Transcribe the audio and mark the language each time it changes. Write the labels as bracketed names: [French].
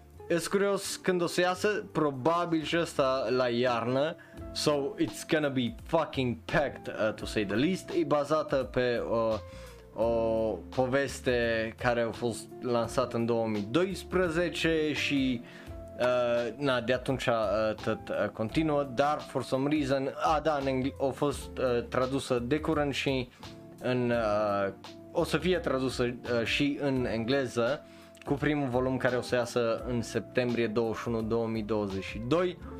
[Romanian] Ești curios când o să iasă? Probabil și ăsta la iarnă. [English] So it's gonna be fucking packed to say the least. [Romanian] E bazată pe o poveste care a fost lansată în 2012 și na, de atunci tot continuă, dar [English] for some reason, [Romanian] a fost tradusă de curând și în o să fie tradusă și în engleză cu primul volum care o să iasă în septembrie 21, 2022.